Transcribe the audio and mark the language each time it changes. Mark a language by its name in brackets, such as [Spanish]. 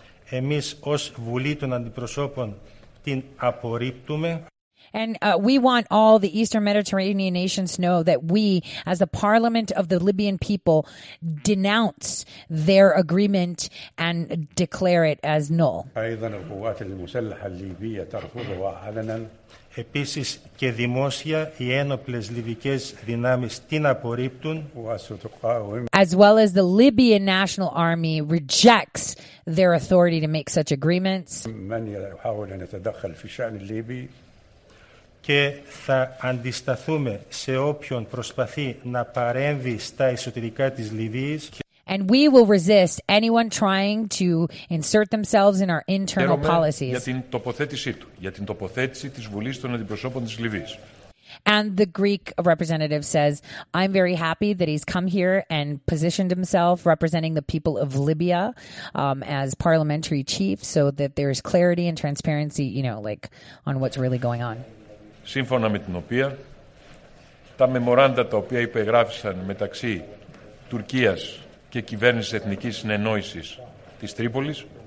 [Greek] Εμείς ως Βουλή των Αντιπροσώπων την απορρίπτουμε. [English] And we want all the Eastern Mediterranean nations to know that we, as the Parliament of the Libyan people, denounce their agreement and declare it as null. [Greek] Επίσης και δημόσια οι ένοπλες λιβικές δυνάμεις την απορρίπτουν. [English] As well as the Libyan National Army rejects their authority to make such agreements. [Greek] Μην προσπαθούν να τεδάχουν στη σχέση Λίβη. Και θα αντισταθούμε σε όποιον προσπαθεί να παρέμβει στα εσωτερικά της Λιβύης. [English] And we will resist anyone trying to insert themselves in our internal policies. [Greek] Για την τοποθέτησή του, για την τοποθέτηση της Βουλής των Αντιπροσώπων της Λιβύης. [English] And the Greek representative says, I'm very happy that he's come here and positioned himself representing the people of Libya as parliamentary chief so that there is clarity and transparency, you know, like on what's really going on. [Greek] Σύμφωνα με την οποία τα μεμοράντα τα οποία υπεγράφησαν μεταξύ Τουρκίας και κυβέρνησης εθνικής συνεννόησης της Τρίπολης.